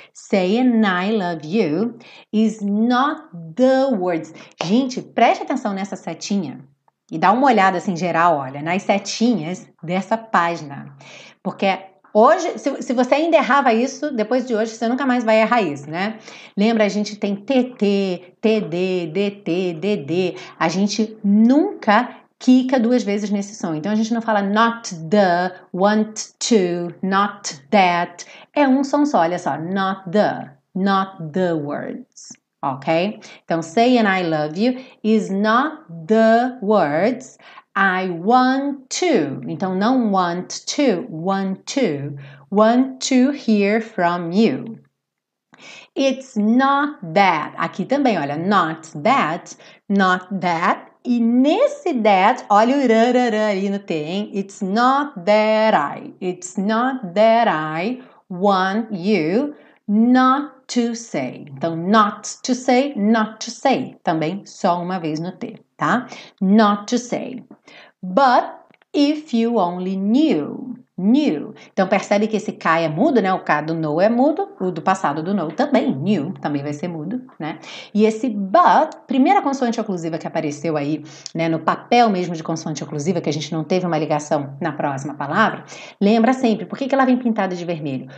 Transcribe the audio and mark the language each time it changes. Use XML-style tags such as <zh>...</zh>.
<en>Saying I love you is not the words.</en> <pt>Gente, preste atenção nessa setinha e dá uma olhada assim geral, olha, nas setinhas dessa página. Porque hoje, se você ainda errava isso, depois de hoje você nunca mais vai errar isso, né? Lembra, a gente tem TT, TD, DT, DD. A gente nunca quica duas vezes nesse som. Então a gente não fala not the, want to, not that. É um som só, olha só.</pt> <en>Not the words.</en> <pt>Ok?</pt> <en>Então, saying I love you is not the words. I want to. Então, não want to, want to. Want to hear from you. It's not that. Aqui também, olha. Not that, not that.</en> <pt>E nesse that, olha o rarará ali no T, hein?</pt> <en>It's not that I, it's not that I want you not to say.</en> <pt>Então,</pt> <en>not to say, not to say.</en> <pt>Também só uma vez no T, tá?</pt> <en>Not to say. But if you only knew, knew.</en> <pt>Então, percebe que esse K é mudo, né? O K do no é mudo, o do passado do no também, new, também vai ser mudo, né? E esse but, primeira consoante oclusiva que apareceu aí, né, no papel mesmo de consoante oclusiva, que a gente não teve uma ligação na próxima palavra, lembra sempre, por que ela vem pintada de vermelho?</pt>